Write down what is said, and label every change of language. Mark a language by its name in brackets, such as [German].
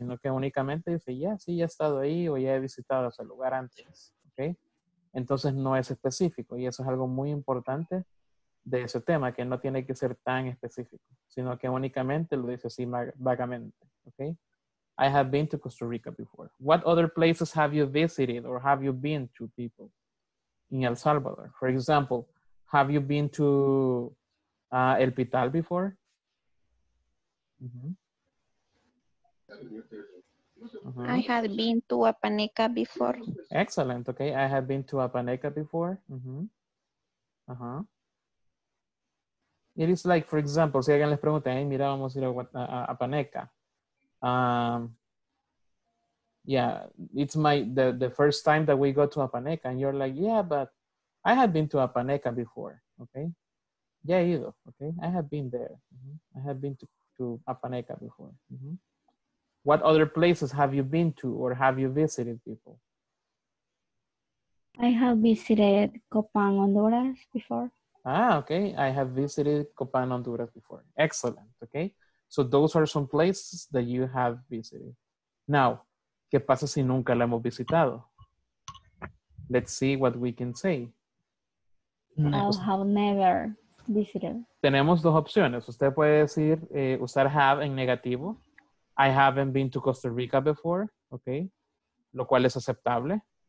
[Spanish] Sino que únicamente dice, ya, sí, ya he estado ahí o ya he visitado ese lugar antes, ¿ok? Entonces, no es específico. Y eso es algo muy importante de ese tema, que no tiene que ser tan específico. Sino que únicamente lo dice así vagamente, ¿ok? [English] I have been to Costa Rica before. What other places have you visited or have you been to, people? In El Salvador, for example, have you been to El Pital before? Mm-hmm. Uh-huh. I have been to Apaneca before. Excellent. Okay, I have been to Apaneca before. Mm-hmm. Uh-huh. It is like, for example, [Spanish] si alguien les pregunta, hey, mira, vamos a ir a Apaneca. [English] Yeah, it's the first time that we go to Apaneca, and you're like, yeah, but I have been to Apaneca before, okay? [Spanish] Ya he ido, [English] okay? I have been there. Mm-hmm. I have been to Apaneca before. Mm-hmm. What other places have you been to or have you visited, people? I have visited Copan, Honduras before. Ah, okay. I have visited Copan, Honduras before. Excellent, okay? So those are some places that you have visited. Now, [Spanish] ¿qué pasa si nunca la hemos visitado? [English] Let's see what we can say. I have never visited. [Spanish] Tenemos dos opciones. Usted puede decir, usar have en negativo. [English] I haven't been to Costa Rica before. Ok. [Spanish] Lo cual es aceptable.